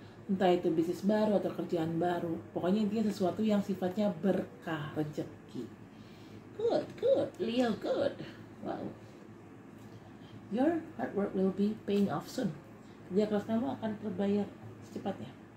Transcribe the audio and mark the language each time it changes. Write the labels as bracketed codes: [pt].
[id] Entah itu bisnis baru atau kerjaan baru, pokoknya intinya sesuatu yang sifatnya berkah, rezeki. [en] Good, good, Leo, good. Wow. Your hard work will be paying off soon. [id] Kerja keras kamu akan terbayar secepatnya.